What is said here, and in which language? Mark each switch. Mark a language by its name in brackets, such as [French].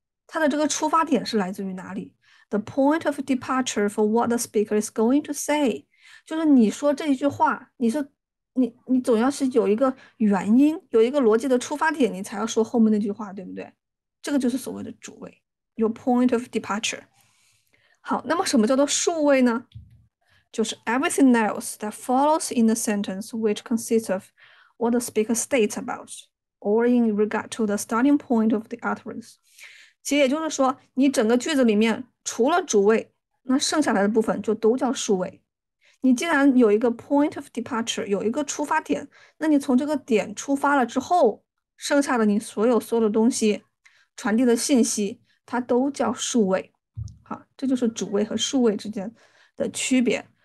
[Chinese] 它的这个出发点是来自于哪里？ [English] The point of departure for what the speaker is going to say， [Chinese] 就是你说这一句话，你是。你总要是有一个原因，有一个逻辑的出发点，你才要说后面那句话，对不对？这个就是所谓的主谓， [English] your point of departure。 [Chinese] 好，那么什么叫做述谓呢？ [English] 就是 everything else that follows in the sentence which consists of what the speaker states about or in regard to the starting point of the utterance。 [Chinese] 其实也就是说，你整个句子里面除了主谓，那剩下来的部分就都叫述谓。你既然有一个 point of departure，有一个出发点，那你从这个点出发了之后，剩下的你所有的东西，传递的信息，它都叫述谓。好，这就是主谓和述谓之间的区别。